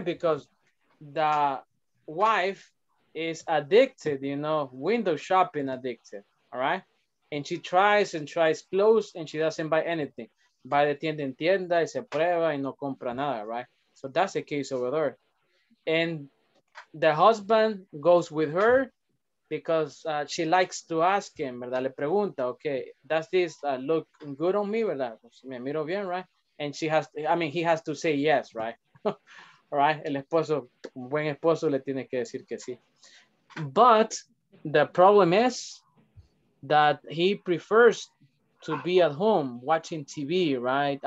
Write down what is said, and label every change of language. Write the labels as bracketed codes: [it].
[en] Because the wife is addicted, you know, window shopping addicted, all right? And she tries and tries clothes and she doesn't buy anything. [es] Va de tienda en tienda y se prueba y no compra nada, right? [en] So that's the case over there. And the husband goes with her because she likes to ask him, ¿verdad? [es] Le pregunta, [en] okay, does this look good on me, ¿verdad? [es] Me miro bien, [en] right? And she has, I mean, he has to say yes, right? All right, [es] el esposo, un buen esposo le tiene que decir que sí. [en] But the problem is that he prefers to be at home watching TV, right?